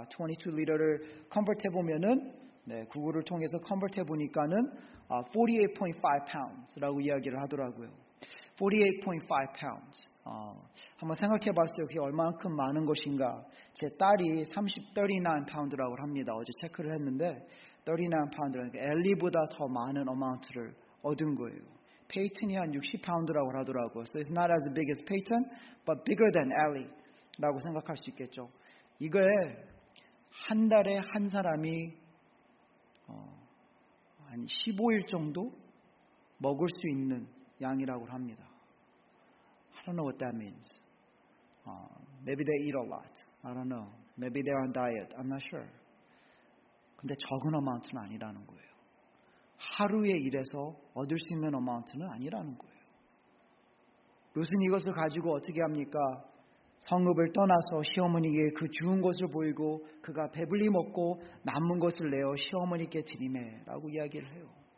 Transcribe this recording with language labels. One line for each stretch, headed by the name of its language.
Korean: 22리터를 컨버트해 보면은 네, 구글을 통해서 컨버트해 보니까는 48.5pounds라고 이야기를 하더라고요. 48.5pounds. 한번 생각해 봤어요. 그게 얼만큼 많은 것인가. 제 딸이 39pounds라고 합니다. 어제 체크를 했는데 39pounds라는 게 엘리보다 더 많은 어마운트를 얻은 거예요. 페이튼이 한 60pounds라고 하더라고요.
English: So it's not as big as Peyton, but bigger than Ellie라고
Korean: 생각할 수 있겠죠. 이걸 한 달에 한 사람이 한 15일 정도 먹을 수 있는 양이라고 합니다.
English: I don't know what that means. Maybe they eat a lot. I don't know. Maybe they're on diet. I'm not sure.
Korean: 근데 적은 어마운트는 아니라는 거예요. 하루에 일해서 얻을 수 있는 어마운트는 아니라는 거예요. 룻은 이것을 가지고 어떻게 합니까? 성읍을 떠나서 시어머니에게 그 주운 것을 보이고 그가 배불리 먹고 남은 것을 내어 시어머니께 드리매 라고 이야기를 해요.